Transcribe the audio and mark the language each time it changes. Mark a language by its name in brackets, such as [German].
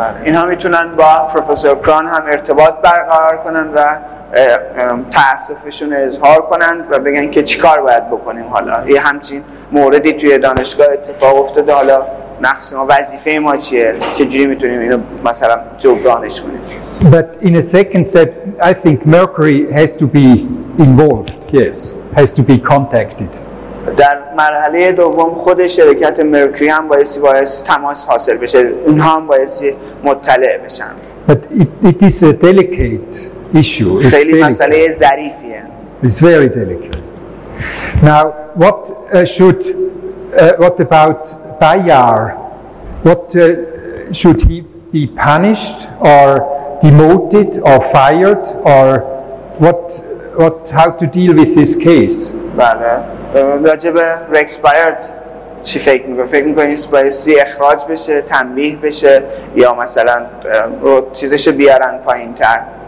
[Persian] اینا میتونن با پروفسور کران هم ارتباط برقرار کنن و تاسفشون اظهار کنن و بگن که چیکار باید بکنیم حالا. یه همچین موردی توی دانشگاه اتفاق افتاده، حالا نقص ما، وظیفه ما چیه؟ چجوری میتونیم اینو مثلا جبرانش کنیم؟ [English] But in a second step, I think Mercury has to be involved. Yes. Has to be contacted. [Persian] در مرحله دوم خود شرکت مرکوری هم باید تماس حاصل بشه. اونها هم باید مطلع بشن. [English] But it is a delicate issue. It's [Persian] خیلی delicate. مسئله ظریفیه. [English] It's very delicate. Now, what should what about Bayar? What should he be punished or demoted or fired or what? What? How to deal with this case? [Persian] بله. راجب رکس بایارد چی فکر میکنی؟ فکر میکنی بایستی اخراج بشه، تنبیه بشه یا مثلا چیزشو بیارن پایین تر؟